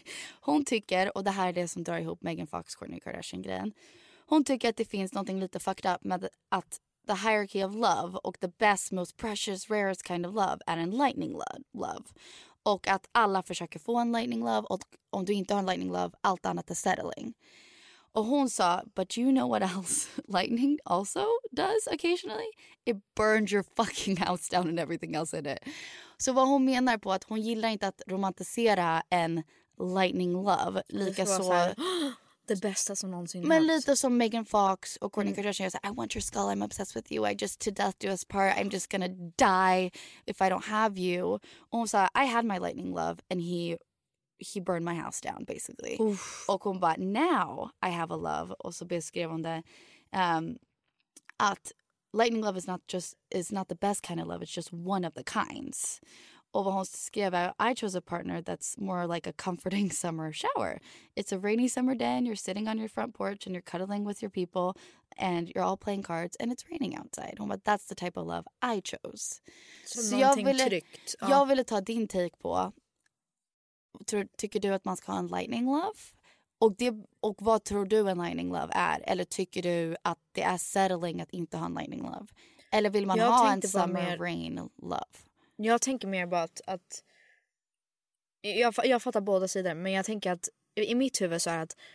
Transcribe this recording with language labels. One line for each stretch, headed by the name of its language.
Swedish: Hon tycker, och det här är det som drar ihop Megan Fox, Kourtney Kardashian-grejen. Hon tycker att det finns någonting lite fucked up med att
English: the hierarchy of love
Swedish: och
English: the best, most precious, rarest kind of love
Swedish: är en lightning love. Och att alla försöker få en lightning love och om du inte har en lightning love, allt annat är settling. Och hon sa,
English: but you know what else lightning also does occasionally? It burns your fucking house down and everything else in it.
Swedish: Så vad hon menar på att hon gillar inte att romantisera en lightning love lika så... det bästa som någonsin men lite haft. Som Megan Fox och Kourtney Kardashian säger,
English: I want your skull, I'm obsessed with you, I just to death do us part, I'm just gonna die if I don't have you.
Swedish: Och hon sa,
English: I had my lightning love and he burned my house down basically. Oof.
Swedish: Och hon bara,
English: now I have a love.
Swedish: Och så beskrev hon det att
English: lightning love is not the best kind of love, it's just one of the kinds.
Swedish: Och vad hon skrev är,
English: I chose a partner that's more like a comforting summer shower. It's a rainy summer day and you're sitting on your front porch and you're cuddling with your people and you're all playing cards and it's raining outside.
Swedish: Hon bara,
English: that's the type of love I chose.
Swedish: Så någonting tryggt. Jag ville ta din take på, tycker du att man ska ha en lightning love? Och vad tror du en lightning love är? Eller tycker du att det är settling att inte ha en lightning love? Eller vill man jag
English: ha en summer rain love?
Swedish: Jag tänker mer bara att jag fattar båda sidor, men jag tänker att i mitt huvud så är det att